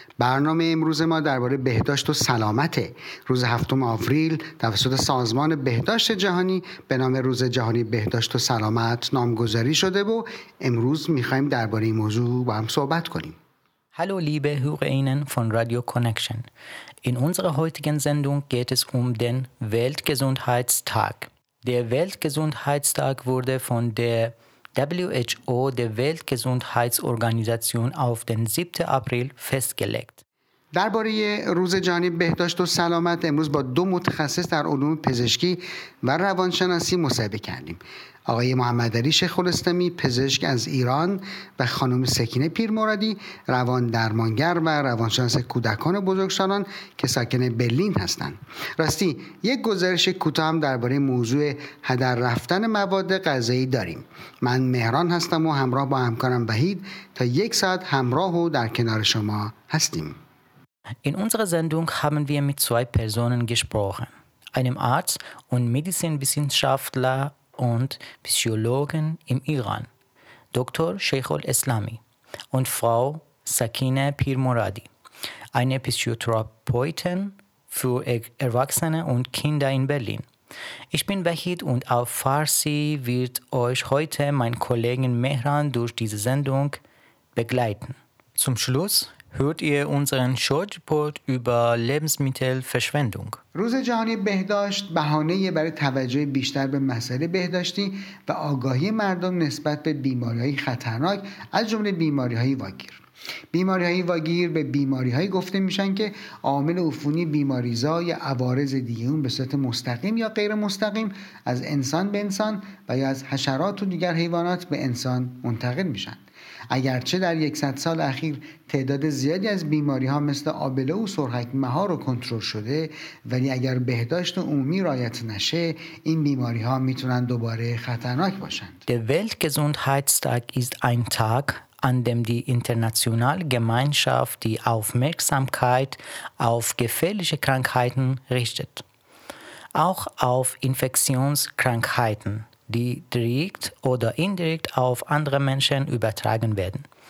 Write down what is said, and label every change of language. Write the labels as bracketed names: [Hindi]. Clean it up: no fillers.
[Persian] برنامه امروز ما درباره بهداشت و سلامته. روز هفتم آوریل توسط سازمان بهداشت جهانی به نام روز جهانی بهداشت و سلامت نامگذاری شده و امروز می‌خوایم درباره این موضوع با هم صحبت کنیم. [German] Hallo liebe Hörerinnen von Radio Connection. In unserer heutigen Sendung geht es den Weltgesundheitstag. Der Weltgesundheitstag wurde von der WHO, der Weltgesundheitsorganisation, auf den 7. April festgelegt. [Persian] درباره روز جهانی بهداشت و سلامت امروز با دو متخصص در علوم پزشکی و روانشناسی مصاحبه کردیم. آقای محمد علی شیخ الاسلامی، پزشک از ایران، و خانم سکینه پیرمرادی، روان درمانگر و روانشناس کودکان و بزرگسالان که ساکن برلین هستند. راستی یک گزارش کوتاه هم درباره موضوع هدر رفتن مواد غذایی داریم. من مهران هستم و همراه با همکارم وحید تا یک ساعت همراه و در کنار شما هستیم. [German] In unserer Sendung haben wir mit zwei Personen gesprochen, einem Arzt und Medizinwissenschaftler und Psychologen im Iran, Dr. Sheikhul Islami und Frau Sakine Pirmoradi, eine Psychotherapeutin für Erwachsene und Kinder in Berlin. Ich bin Wahid und auf Farsi wird euch heute mein Kollegin Mehran durch diese Sendung begleiten. Zum Schluss hört ihr unseren Short-Report über Lebensmittelverschwendung. [Persian] روز جهانی بهداشت بهانه برای توجه بیشتر به مسئله بهداشتی و آگاهی مردم نسبت به بیماری‌های خطرناک از جمله بیماری‌های واگیر. بیماری‌های واگیر به بیماری‌هایی گفته میشن که عامل عفونی بیماریزا یا عوارض دیگه اون به صورت مستقیم یا غیر مستقیم از انسان به انسان و یا از حشرات و دیگر حیوانات به انسان منتقل میشن. اگرچه در 100 سال اخیر تعداد زیادی از بیماری ها مثل آبله و سرحک مهار رو کنترل شده، ولی اگر بهداشت عمومی رعایت نشه این بیماری ها میتونن دوباره خطرناک باشند. [German] Der Weltgesundheitstag ist ein Tag, an dem die internationale Gemeinschaft die Aufmerksamkeit auf gefährliche Krankheiten richtet. Auch auf Infektionskrankheiten, die direkt oder indirekt auf andere Menschen übertragen werden.